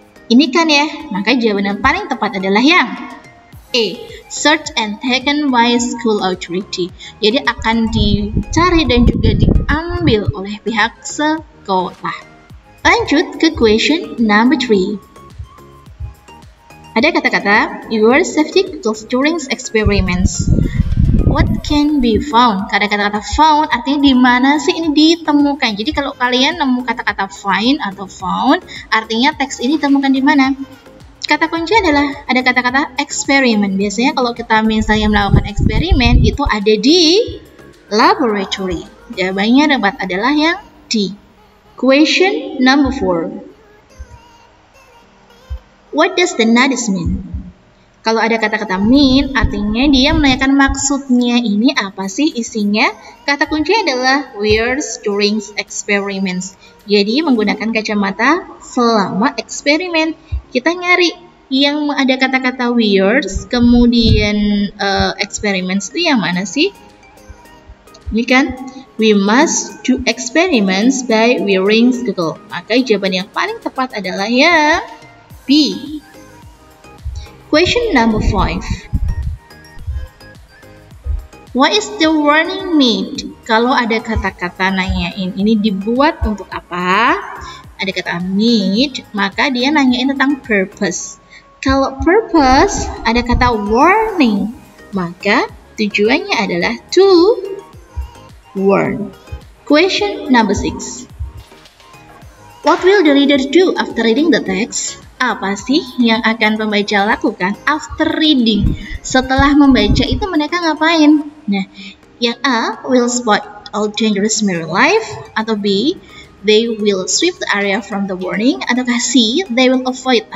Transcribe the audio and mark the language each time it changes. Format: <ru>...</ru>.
<id>Ini kan ya, maka jawaban yang paling tepat adalah yang A,</id> <en>search and taken by school authority.</en> <id>Jadi akan dicari dan juga diambil oleh pihak sekolah. Lanjut ke</id> <en>question number 3.</en> <id>Ada kata-kata,</id> <en>your safety goes during experiments. What can be found?</en> <id>Kata kata-kata found artinya di mana sih ini ditemukan. Jadi kalau kalian nemu kata-kata find atau found, artinya teks ini ditemukan di mana? Kata kunci adalah ada kata-kata experiment. Biasanya kalau kita misalnya melakukan eksperimen itu ada di laboratory. Jawabannya dapat adalah yang D. Question number 4.</id> <en>What does the notice mean?</en> <id>Kalau ada kata-kata mean, artinya dia menanyakan maksudnya ini apa sih isinya? Kata kunci adalah wears during experiments. Jadi menggunakan kacamata selama eksperimen. Kita nyari yang ada kata-kata wears, kemudian experiments itu yang mana sih?</id> <en>Ini kan, we must do experiments by wearing goggles.</en> <id>Maka jawaban yang paling tepat adalah ya, B.</id> <en>Question number 5. What is the warning meant?</en> <id>Kalau ada kata-kata nanyain, ini dibuat untuk apa? Ada kata need, maka dia nanyain tentang purpose. Kalau purpose, ada kata warning, maka tujuannya adalah</id> <en>to warn. Question number 6. What will the reader do after reading the text?</en> <id>Apa sih yang akan pembaca lakukan</id> <en>after reading?</en> <id>Setelah membaca itu mereka ngapain? Nah, yang A,</id> <en>will spot all dangerous mirror life,</en> <id>atau B,</id> <en>they will sweep the area from the warning,</en> <id>ataukah C,</id> <en>they will avoid.</en>